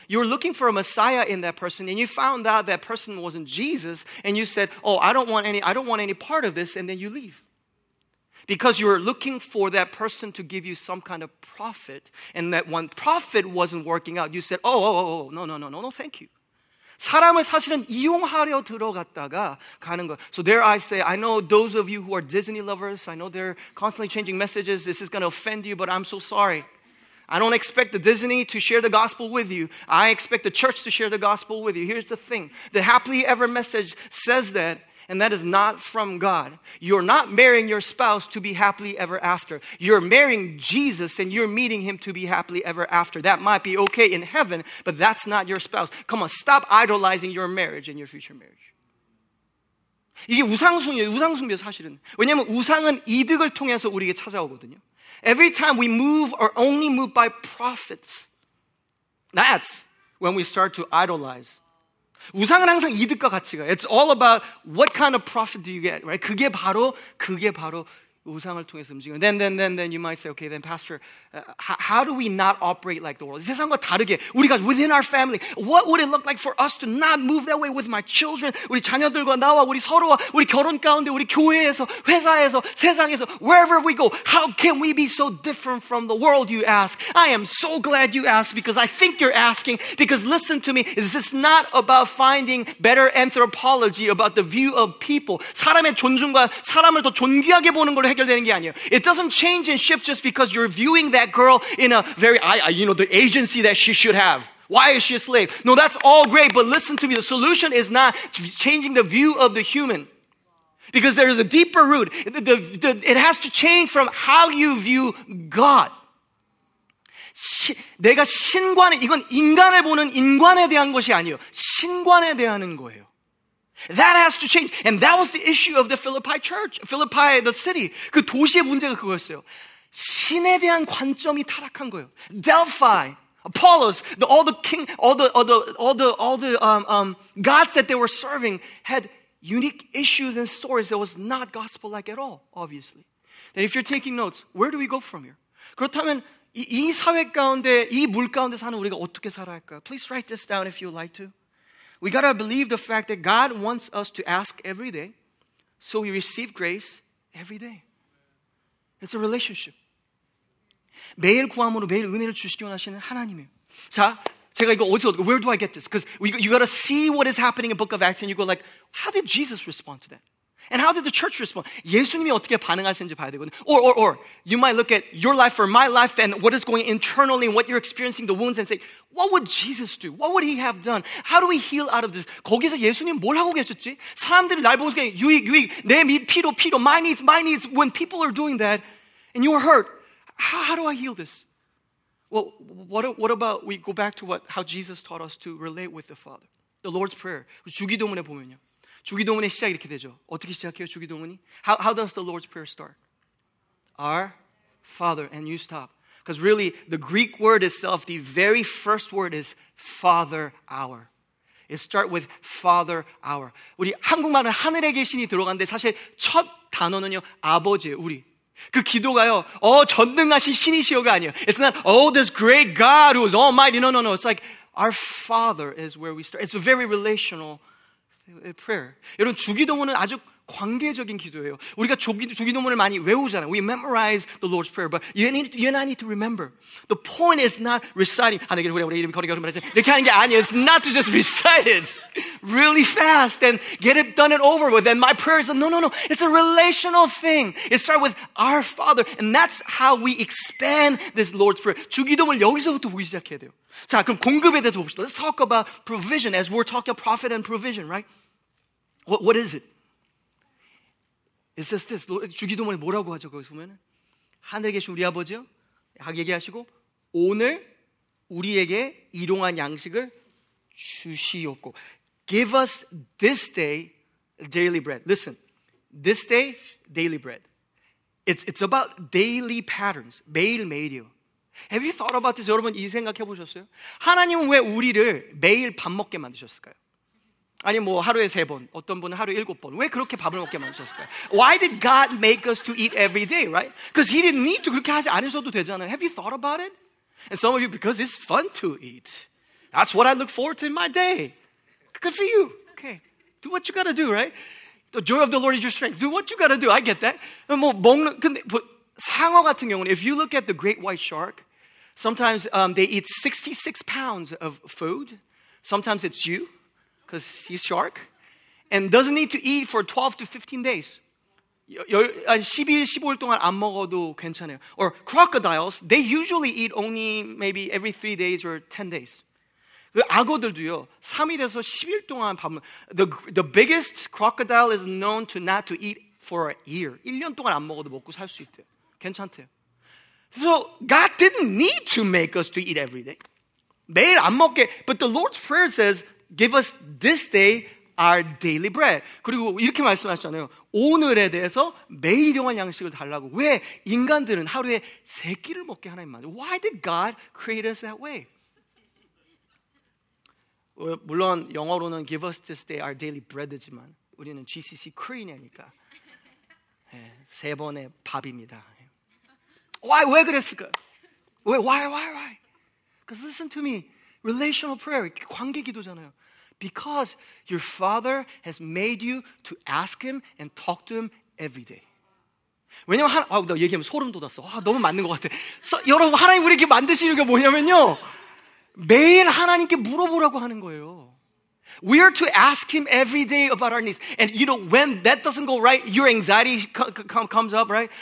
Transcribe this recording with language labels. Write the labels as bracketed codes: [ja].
[en] You're looking for a Messiah in that person and you found out that person wasn't Jesus and you said, oh, I don't want any part of this and then you leave. Because you're looking for that person to give you some kind of profit, and that one profit wasn't working out, you said, no, thank you. [ko] 사람을 사실은 이용하려 들어갔다가 가는 거. [en] So there I say, I know those of you who are Disney lovers, I know they're constantly changing messages, this is going to offend you, but I'm so sorry. I don't expect the Disney to share the gospel with you. I expect the church to share the gospel with you. Here's the thing. The happily ever message says that, and that is not from God. You're not marrying your spouse to be happily ever after. You're marrying Jesus and you're meeting him to be happily ever after. That might be okay in heaven, but that's not your spouse. Come on, stop idolizing your marriage and your future marriage. [ko] 이게 우상숭배예요. 우상숭배 사실은. 왜냐면 우상은 이득을 통해서 우리에게 찾아오거든요. [en] Every time we move or only move by profits, that's when we start to idolize. [ko] 우상은 항상 이득과 가치가. [en] It's all about what kind of profit do you get, right? [ko] 그게 바로 우상을 통해서 움직이는. [en] Then you might say, okay, then pastor, how do we not operate like the world? [ko] 세상과 다르게 우리가 [en] within our family, what would it look like for us to not move that way with my children, [ko] 우리 자녀들과 나와 우리 서로와 우리 결혼 가운데 우리 교회에서 회사에서 세상에서 [en] wherever we go, how can we be so different from the world? You ask. I am so glad you asked because I think you're asking because listen to me, this is not about finding better anthropology about the view of people. [ko] 사람의 존중과 사람을 더 존귀하게 보는 걸 해결되는 게 아니에요. [en] It doesn't change and shift just because you're viewing that girl in a very, you know, the agency that she should have. Why is she a slave? No, that's all great, but listen to me. The solution is not changing the view of the human because there is a deeper root. It has to change from how you view God. [ko] 내가 신관에, 이건 인간을 보는 인관에 대한 것이 아니에요. 신관에 대한 거예요. [en] That has to change. And that was the issue of the Philippi church, Philippi the city. [ko] 그 도시의 문제가 그거였어요. 신에 대한 관점이 타락한 거예요. [en] Delphi, Apollos, all the gods that they were serving had unique issues and stories that was not gospel-like at all, obviously. And if you're taking notes, where do we go from here? [ko] 그렇다면 이 사회 가운데, 이 물 가운데 사는 우리가 어떻게 살아야 할까? [en] Please write this down if you'd like to. We gotta believe the fact that God wants us to ask every day, so we receive grace every day. It's a relationship. [ko] 매일 구함으로 매일 은혜를 주시기 원하시는 하나님이에요. 자, 제가 이거 어디서 얻고, [en] where do I get this? Because you gotta see what is happening in the book of Acts, and you go like, how did Jesus respond to that? And how did the church respond? [ko] 예수님이 어떻게 반응하시는지 봐야 되거든요. [en] Or, you might look at your life or my life and what is going internally and what you're experiencing, the wounds, and say, what would Jesus do? What would he have done? How do we heal out of this? [ko] 거기서 예수님 뭘 하고 계셨지? 사람들이 날 보면서 그냥 유익, 내 피로, [en] my needs. When people are doing that and you are hurt, how do I heal this? Well, what about we go back to how Jesus taught us to relate with the Father? The Lord's Prayer. [ko] 주기도문에 보면요. 주기도문의 시작이 이렇게 되죠. 어떻게 시작해요, 주기도문이? [en] How does the Lord's Prayer start? Our Father, and you stop. Because really, the Greek word itself, the very first word is Father Our. It starts with Father Our. [ko] 우리 한국말은 하늘에 계신이 들어가는데 사실 첫 단어는요, 아버지, 우리. 그 기도가요, 전능하신 신이시여가 아니에요. [en] It's not, oh, this great God who is almighty. No. It's like, our Father is where we start. It's a very relational prayer. [ko] 여러분, 주기도문은 아주 관계적인 기도예요. 우리가 주기도문을 많이 외우잖아요. [en] We memorize the Lord's Prayer, but you and I need to remember. The point is not reciting. [ko] 하나님께 우리 이름 거리가 우리 말이지. 이렇게 하는 게 아니에요. [en] It's not to just recite it really fast and get it done and over with. And my prayer is no. It's a relational thing. It starts with our Father, and that's how we expand this Lord's Prayer. [ko] 주기도문을 여기서부터 보기 시작해야 돼요. 자, 그럼 공급에 대해서 봅시다. [en] Let's talk about provision as we're talking about profit and provision, right? What is it? It says this. [ko] 주기도문에 뭐라고 하죠? 거기서 보면은 하늘에 계신 우리 아버지요. 얘기하시고 오늘 우리에게 일용한 양식을 주시옵고. [en] Give us this day daily bread. Listen. This day daily bread. It's about daily patterns. [ko] 매일매일이요. [en] Have you thought about this? [ko] 여러분, 이 생각 해보셨어요? 하나님은 왜 우리를 매일 밥 먹게 만드셨을까요? 아니, 뭐 하루에 세 번, 어떤 분은 하루에 일곱 번. 왜 그렇게 밥을 먹게 만드셨을까요? [en] Why did God make us to eat every day, right? Because he didn't need to. [ko] 그렇게 하지 않으셔도 되잖아요. [en] Have you thought about it? And some of you, because it's fun to eat. That's what I look forward to in my day. Good for you. Okay. Do what you gotta do, right? The joy of the Lord is your strength. Do what you gotta do. I get that. [ko] 뭐 먹는, 근데 뭐, 상어 같은 경우는 [en] if you look at the great white shark, sometimes they eat 66 pounds of food. Sometimes it's you, because he's shark. And doesn't need to eat for 12 to 15 days. [ko] 12일 동안 안 먹어도 괜찮아요. [en] Or crocodiles, they usually eat only maybe every 3 days or 10 days. [ko] 악어들도요, 3일에서 10일 동안 밥 [en] the biggest crocodile is known to not to eat for a year. [ko] 1년 동안 안 먹어도 먹고 살 수 있대요. 괜찮대요. [en] So God didn't need to make us to eat every day. [ko] 매일 안 먹게. [en] But the Lord's Prayer says, give us this day our daily bread. [ko] 그리고 이렇게 말씀하셨잖아요. 오늘에 대해서 매일 일용할 양식을 달라고. 왜 인간들은 하루에 세 끼를 먹게 하나님 만들 [en] Why did God create us that way? [ko] 물론 영어로는 [en] give us this day our daily bread [ko] 이지만 우리는 GCC 크리니아니까 네, 세 번의 밥입니다. Why? 왜 그랬을까요? [en] Why? Because listen to me. Relational prayer. [ko] 관계 기도잖아요. [en] Because your Father has made you to ask Him and talk to Him every day. [ko] 왜냐면 나 얘기하면 소름 돋았어. 너무 맞는 것 같아. 여러분, 하나님 우리에게 만드시는 게 뭐냐면요. 매일 하나님께 물어보라고 하는 거예요. [en] We are to ask Him every day about our needs. And you know, when that doesn't go right, your anxiety comes up, right?